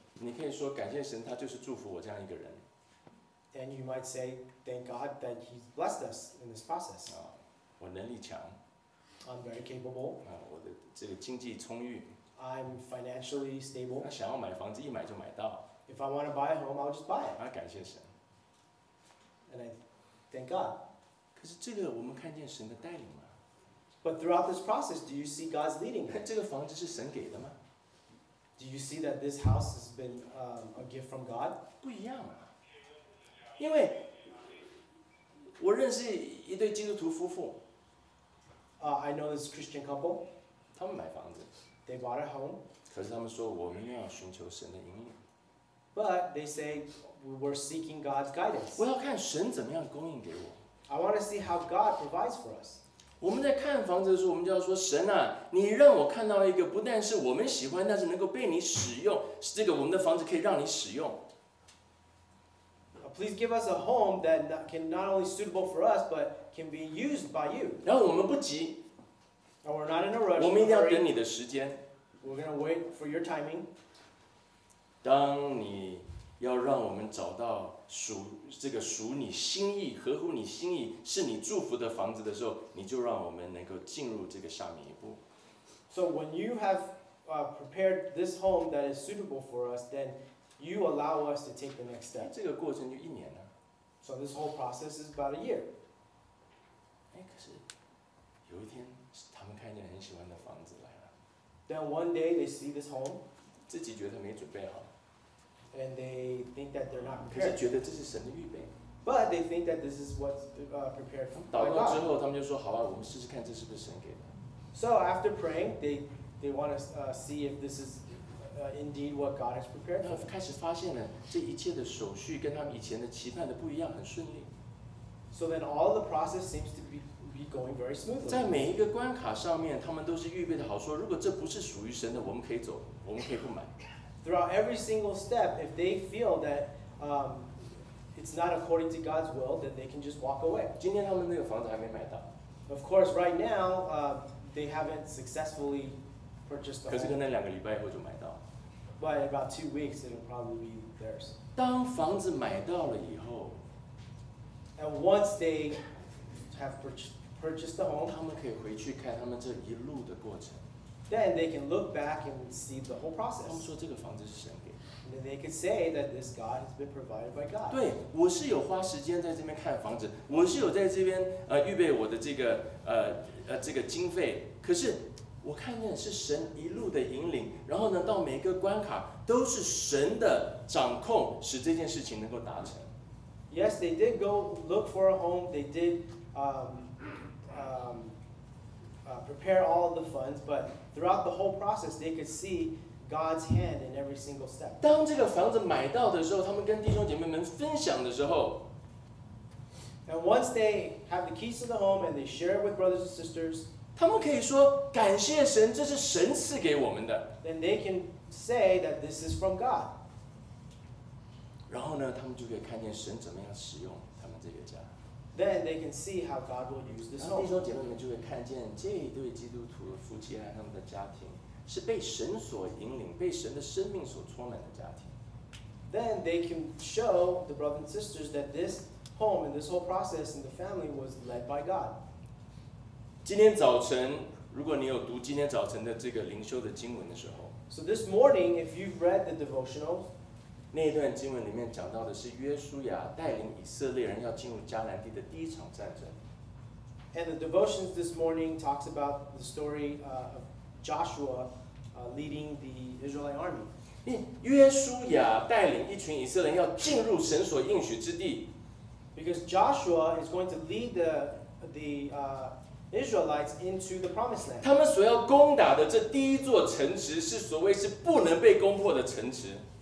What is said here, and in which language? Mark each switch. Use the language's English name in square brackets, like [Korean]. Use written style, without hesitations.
[Chinese] 你可以说感谢神，他就是祝福我这样一个人。 [English] And you might say, thank God that He's blessed us in this process. [Chinese] 啊，我能力强。 [English] I'm very capable. [Chinese] 啊，我的这个经济充裕。 [English] I'm financially stable. [Chinese] 那想要买房子，一买就买到。 [English] If I want to buy a home, I'll just buy it. [Chinese] 啊，感谢神。 [English] And I thank God. [Chinese] 可是这个我们看见神的带领吗 [English] But throughout this process, do you see God's leading? [Chinese] 这个房子是神给的吗？ [English] Do you see that this house has been a gift from God? [Chinese] 不一样啊，因为我认识一对基督徒夫妇。 [English] I know this Christian couple. [Chinese] 他们买房子。 [English] They bought a home. [Chinese] 可是他们说我们要寻求神的引领。 [English] But they say we're seeking God's guidance. [Chinese] 我要看神怎么样供应给我。 [English] I want to see how God provides for us. [Chinese] 我们在看房子的时候，我们就要说神啊，你让我看到一个不但是我们喜欢，但是能够被你使用，是这个我们的房子可以让你使用。 [English] Please give us a home that can not only suitable for us, but can be used by you. [Chinese] 然后我们不急。 [English] And we're not in a rush. [Chinese] 我们一定要等你的时间。 [English] We're gonna wait for your timing. [Chinese] 当你要让我们找到属你心意、合乎你心意、是你祝福的房子的时候，你就让我们能够进入这个下面一步。 [English] So when you have prepared this home that is suitable for us, then you allow us to take the next step. [Chinese] 这个过程就一年了。 [English] So this whole process is about a year. [Chinese] 哎，可是有一天他们看见很喜欢的房子来了。 [English] Then one day they see this home. [Chinese] 自己觉得没准备好。 [English] And they think that they're not prepared. [Chinese] 可是觉得这是神的预备。 [English] But they think that this is what's prepared for God. [Chinese] 祷告之后，他们就说：“好吧，我们试试看这是不是神给的。” [English] So after praying, they want to see if this is indeed what God has prepared. [Chinese] 然后开始发现了这一切的手续跟他们以前的期盼的不一样，很顺利。 [English] So then all the process seems to be going very smoothly. [Chinese] 在每一个关卡上面，他们都是预备的好，说如果这不是属于神的，我们可以走，我们可以不买。 [English] Throughout every single step, if they feel that it's not according to God's will, then they can just walk away. [Chinese] 今天他们那个房子还没买到。 [English] Of course, right now, they haven't successfully purchased the home. [Chinese] 可是可能两个礼拜以后就买到。 [English] But about 2 weeks, it'll probably be theirs. [Chinese] 当房子买到了以后 [English] ，And once they have purchased the home, [Chinese] 他们可以回去看他们这一路的过程。 [English] Then they can look back and see the whole process. [Chinese] 他们说这个房子是神给的。 [English] And then they can say that this God has been provided by God. [Chinese] 对，我是有花时间在这边看房子，我是有在这边预备我的这个经费。可是我看见是神一路的引领，然后呢，到每一个关卡都是神的掌控，使这件事情能够达成。 [English] Yes, they did go look for a home. They did prepare all the funds, but throughout the whole process, they could see God's hand in every single step. [Chinese] 当这个房子买到的时候，他们跟弟兄姐妹们分享的时候 [English] ，And once they have the keys to the home and they share it with brothers and sisters, [Chinese] 他们可以说感谢神，这是神赐给我们的。 [English] Then they can say that this is from God. [Chinese] 然后呢，他们就可以看见神怎么样使用他们这个家。 [English] Then they can see how God will use this home. [Chinese] 然后弟兄姐妹们就会看见这一对基督徒的夫妻和他们的家庭是被神所引领、被神的生命所充满的家庭。 [English] Then they can show the brothers and sisters that this home and this whole process and the family was led by God. [Chinese] 今天早晨，如果你有读今天早晨的这个灵修的经文的时候 [English] ，So this morning, if you've read the devotional. [Chinese] 那一段经文里面讲到的是约书亚带领以色列人要进入迦南地的第一场战争。 [English] And the devotions this morning talks about the story of Joshua leading the Israelite army. [Chinese] 约书亚带领一群以色列人要进入神所应许之地。 [English] Because Joshua is going to lead the Israelites into the promised land. [Chinese] 他们所要攻打的这第一座城池是所谓是不能被攻破的城池。